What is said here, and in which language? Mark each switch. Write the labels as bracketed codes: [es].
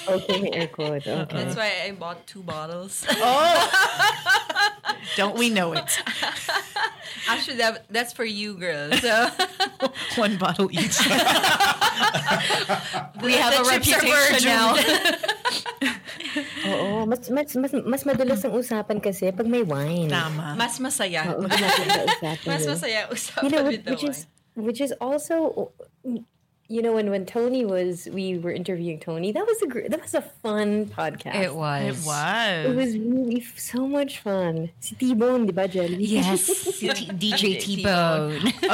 [en] Okay, air quotes. Okay. That's why I bought 2 bottles. Oh! Don't we know it? Actually, that's for you, girls. So. 1 bottle each. We have a reputation now. [tl] Oo, mas madulas ang usapan kasi pag may wine. Tama. Mas masaya. Mas masaya usapan, [en] you know, which is also, you know, when Tony was, we were interviewing Tony, that was a fun podcast. It was really so much fun. [tl] Si T-Bone, di ba, [en] Jelly? Yes. DJ T-Bone.